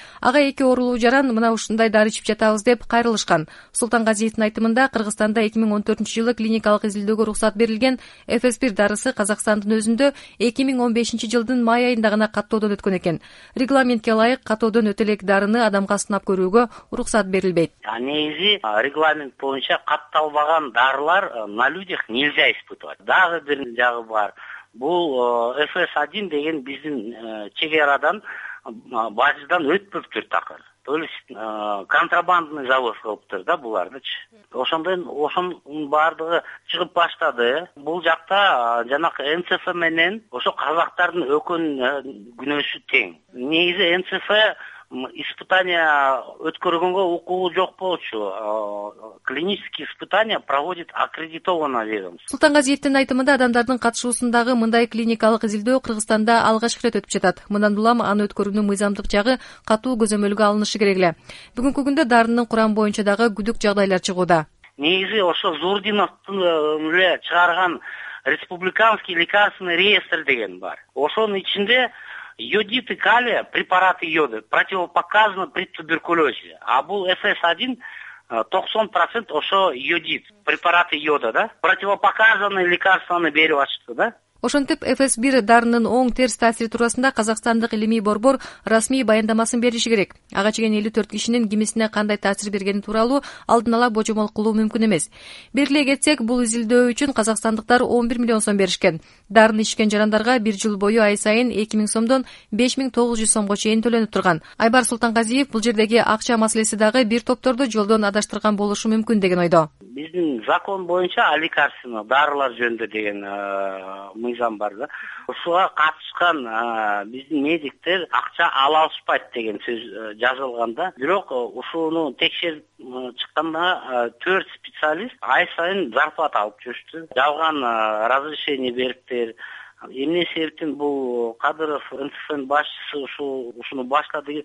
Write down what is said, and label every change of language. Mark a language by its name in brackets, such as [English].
[Kyrgyz] Ага эки оорулуу жаран мына ушундай дары ичип жатабыз деп кайрылышкан. Султангазиевдин айтымында Кыргызстанда 2014 жылы клиникалык изилдөөгө уруксат берилген FS1 дарысы Казакстандын өзүндө 2015 жылдын май айында гана каттоодон өткөн экен. Регламентке ылайык каттоодон өтө элек дарыны адам сынап көрүүгө уруксат берилбейт. Негизи регламент боюнча катталбаган дарылар [Russian] на людях нельзя испытывать. [Kyrgyz] Дагы бир жагы бар. Бул FS1 деген биздин чек арадан базадан өтпөптүр такыр. То есть контрабандный завод кылыптыр да булардычы. Ошондон ошонун баардыгы чыгып баштады. Бул жакта жанагы НЦФ менен ошо казактардын өкөн күнөсү тең. Негизи НЦФ испытания өткөргөнгө укугу жок болчу. [Russian] Клинические испытания проводит аккредитованное ведомство. [Kyrgyz] Султангазиевдин айтымында адамдардын катышуусундагы мындай клиникалык изилдөө Кыргызстанда алгач рет өтүп жатат. Мындан улам аны өткөрүүнүн мыйзамдык жагы катуу көзөмөлгө алынышы керек эле. Бүгүнкү күндө дарынын курам боюнча дагы күдүк жагдайлар чыгууда. Негизи ошо Зурдиновдун эле чыгарган [Russian] республиканский лекарственный реестр [Kyrgyz] деген бар. Ошонун ичинде [Russian] йодит и калия, препараты йода, противопоказаны при туберкулезе. [Kyrgyz] А бул FS1 90% ошо йодит, [Russian] препараты йода, [Kyrgyz] да? Противопоказаны лекарствованы берип ачты, да? Ошентип, FS1 дарынын оң терс таасири туурасында казакстандык илимий борбор расмий баяндамасын бериши керек. Ага чейин 54 кишинин кимисине кандай таасир бергени тууралуу алдын ала божомол кылуу мүмкүн эмес. Белгилей кетсек, бул изилдөө үчүн казакстандыктар 11 миллион сом беришкен. Дарыны ичкен жарандарга бир жыл бою ай сайын 2000 сомдон 5900 сомго чейин төлөнүп турган. Айбар Султангазиев бул жердеги акча маселеси дагы бир топторду жолдон адаштырган болушу мүмкүн деген ойдо. биздин закон боюнча лекарственный дарылар жөнүндө деген мыйзам бар да. Ушуга катышкан биздин медиктер акча ала алышпайт деген сөз жазылганда, бирок ушуну текшерип чыкканда 4 специалист ай сайын зарплата алып жүрүштү. Жалган разрешение бериптир. Эмне себептен бул Кадыров НТФН башчысы ушуну баштады?